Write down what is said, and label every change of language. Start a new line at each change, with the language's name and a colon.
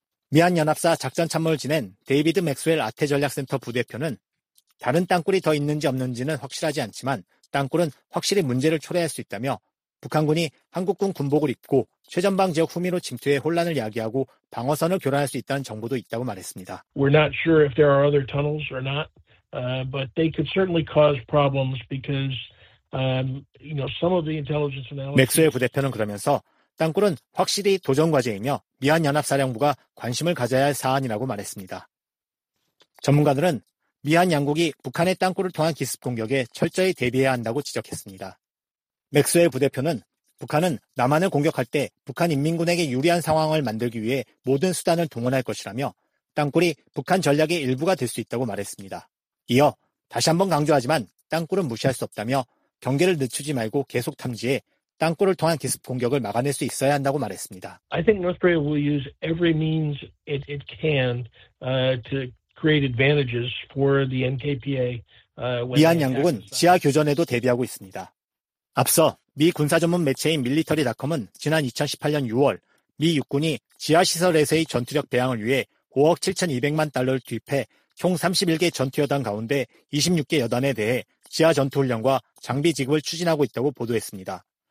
Korean: 미한연합사 작전참모를 지낸 데이비드 맥스웰 아태전략센터 부대표는 다른 땅굴이 더 있는지 없는지는 확실하지 않지만 땅굴은 확실히 문제를 초래할 수 있다며 북한군이 한국군 군복을 입고 최전방 지역 후미로 침투해 혼란을 야기하고 방어선을 교란할 수 있다는 정보도 있다고 말했습니다.
English: We're not sure if there are other tunnels or not, but they could certainly cause problems because some of the intelligence analysis.
Korean: 맥스웰 부대표는 그러면서 땅굴은 확실히 도전 과제이며 미한 연합사령부가 관심을 가져야 할 사안이라고 말했습니다. 전문가들은 미한 양국이 북한의 땅굴을 통한 기습 공격에 철저히 대비해야 한다고 지적했습니다. 맥스웰 부대표는 북한은 남한을 공격할 때 북한 인민군에게 유리한 상황을 만들기 위해 모든 수단을 동원할 것이라며 땅굴이 북한 전략의 일부가 될 수 있다고 말했습니다. 이어 다시 한번 강조하지만 땅굴은 무시할 수 없다며 경계를 늦추지 말고 계속 탐지해 땅굴을 통한 기습 공격을 막아낼 수 있어야 한다고 말했습니다.
English: I think North Korea will use every means it can to create advantages for the NKPA.
Korean: 미한 양국은 지하 교전에도 대비하고 있습니다. 앞서 미 군사 전문 매체인 밀리터리닷컴은 지난 2018년 6월 미 육군이 지하 시설에서의 전투력 배양을 위해 5억 7,200만 달러를 투입해 총 31개 전투 여단 가운데 26개 여단에 대해 지하 전투 훈련과 장비 지급을 추진하고 있다고 보도했습니다.